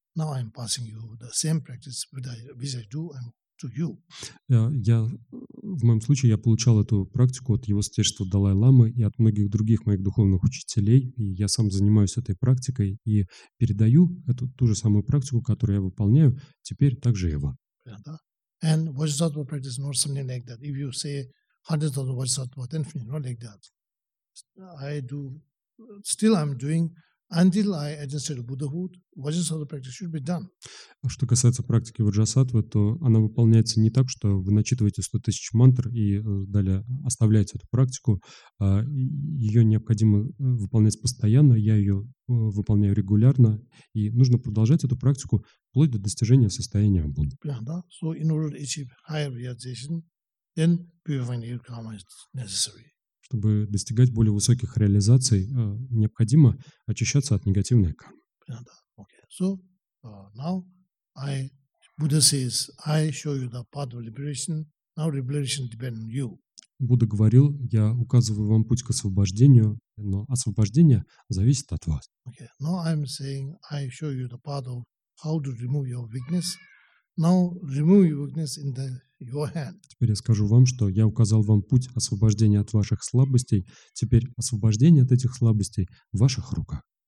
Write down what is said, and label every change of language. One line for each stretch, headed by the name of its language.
English: Now I'm passing you the same practice which I do and to you.
Russian: Я в моем случае я получал эту практику от его святейшества Далай-ламы и от многих других моих духовных учителей. И я сам занимаюсь этой практикой и передаю эту ту же самую практику, которую я выполняю теперь также и вам.
English: Yeah,
Russian: да.
English: And Vajrasattva practice is not something like that. If you say hundreds of Vajrasattva, then it's not like that. I do. Still, I'm doing. Until I attained Buddhahood, Vajrasattva practice should be done.
Russian: Что касается практики Ваджасатвы, то она выполняется не так, что вы начитываете 100 тысяч мантр и далее оставляете эту практику. Ее необходимо выполнять постоянно, я ее выполняю регулярно, и нужно продолжать эту практику вплоть до достижения состояния Будды.
English: Yeah,
Russian: да.
English: So in order to achieve higher realization, then purifying your karma is necessary.
Russian: Чтобы достигать более высоких реализаций, необходимо очищаться от негативной кармы.
English: Yeah,
Russian: да.
English: Okay. So, now I Buddha says, I show you the path of liberation. Now liberation depends on you.
Russian: Будда говорил, я указываю вам путь к освобождению, но освобождение зависит от вас.
English: Okay. Now I'm saying, I show you the path of how to remove your weakness. Now remove your weakness in the your hand.
Russian: Теперь я скажу вам, что я указал вам путь освобождения от ваших слабостей. Теперь освобождение от этих слабостей в ваших руках.